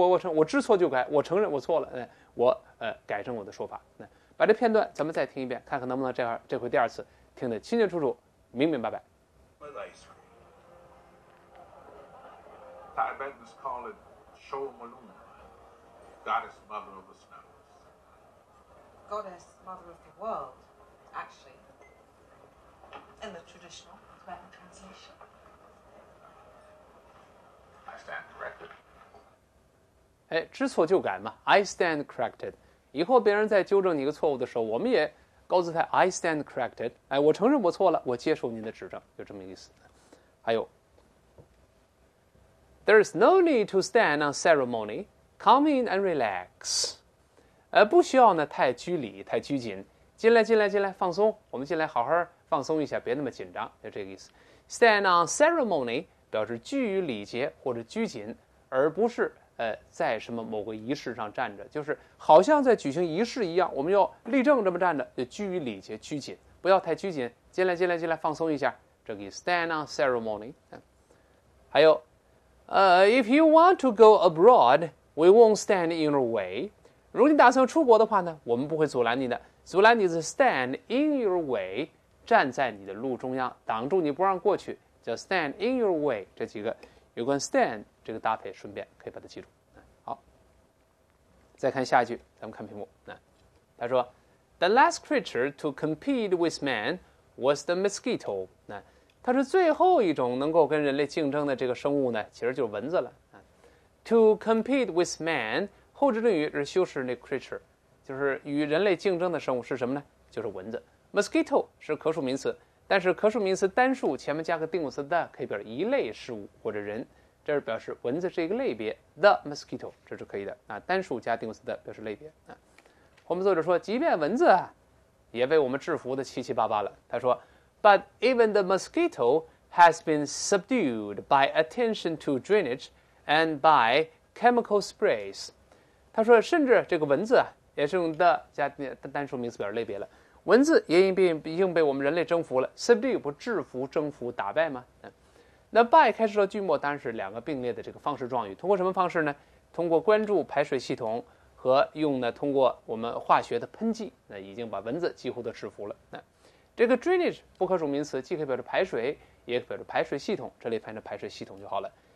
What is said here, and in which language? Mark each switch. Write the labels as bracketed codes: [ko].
[zh] 我知错就改，我承认我错了，我改正我的说法。把这片段咱们再听一遍，看看能不能这回第二次听得清清楚楚，明明白白。 [en] With ice cream. Tibetans call it Chomolung, goddess mother of the snows. Goddess mother of the world, actually. In the traditional Tibetan translation. I stand corrected. [zh] 哎，知错就改嘛 ， [en] I stand corrected。 [zh] 以后别人在纠正你一个错误的时候，我们也高姿态 ， [en] I stand corrected。 [zh] 哎，我承认我错了，我接受您的指正，有这么意思。还有 [en] ，There is no need to stand on ceremony. Come in and relax。 [zh] 不需要呢太拘礼、太拘谨。进来，放松。我们进来好好放松一下，别那么紧张，就这个意思。 [en] Stand on ceremony [zh] 表示拘于礼节或者拘谨，而不是。在什么某个仪式上站着，就是好像在举行仪式一样，我们要立正这么站着，就拘于礼节，拘谨，不要太拘谨。进来，放松一下。这个 [en] stand on ceremony。 [zh] 还有， [en] if you want to go abroad, we won't stand in your way。 [zh] 如果你打算出国的话呢，我们不会阻拦你的。阻拦你是 [en] stand in your way， [zh] 站在你的路中央，挡住你不让过去，叫 [en] stand in your way。 [zh] 这几个有关 stand。这个搭配顺便可以把它记住。好，再看下一句，咱们看屏幕。他说 [en] ，The last creature to compete with man was the mosquito。 [zh] 他说最后一种能够跟人类竞争的这个生物呢，其实就是蚊子了。 [en] To compete with man， [zh] 后置定语是修饰那 creature， 就是与人类竞争的生物是什么呢？就是蚊子。 Mosquito 是可数名词，但是可数名词单数前面加个定语词的，可以表示一类事物或者人。这是表示蚊子是一个类别 ， [en] the mosquito， [zh] 这是可以的啊。单数加定词的表示类别啊。我们作者说，即便蚊子也被我们制服的七七八八了。他说 [en] ，But even the mosquito has been subdued by attention to drainage and by chemical sprays。 [zh] 他说，甚至这个蚊子也是用 the 加单数名词表示类别了。蚊子也已经被我们人类征服了。Subdue 不制服、征服、打败吗？那 by 开始到句末当然是两个并列的这个方式状语，通过什么方式呢？通过关注排水系统和用呢通过我们化学的喷剂，那已经把蚊子几乎都制服了。那这个 drainage 不可数名词，既可以表示排水，也可以表示排水系统，这里翻译成排水系统就好了。